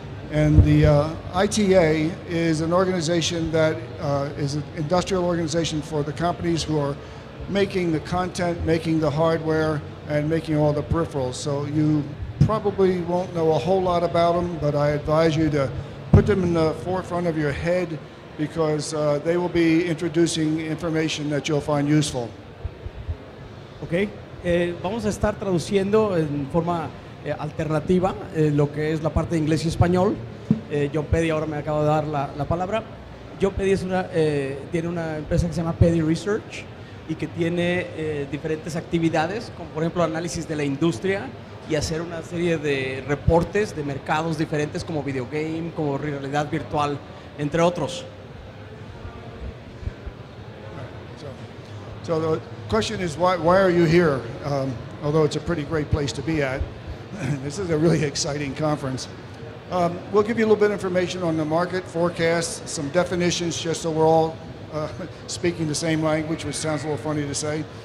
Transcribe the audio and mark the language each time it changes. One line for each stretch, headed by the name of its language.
English: And the ITA is an organization that is an industrial organization for the companies who are making the content, making the hardware, and making all the peripherals. So you probably won't know a whole lot about them, but I advise you to put them in the forefront of your head because they will be introducing information that you'll find useful. Okay.
Spanish: Vamos a estar traduciendo en forma alternativa lo que es la parte de inglés y español. John Pedie ahora me acaba de dar la palabra. John Pedie es tiene una empresa que se llama Pedie Research y que tiene diferentes actividades, como por ejemplo análisis de la industria y hacer una serie de reportes de mercados diferentes como video game, como realidad virtual, entre otros.
English: So the question is why are you here? Although it's a pretty great place to be at. This is a really exciting conference. We'll give you a little bit of information on the market forecasts, some definitions just so we're all speaking the same language, which sounds a little funny to say.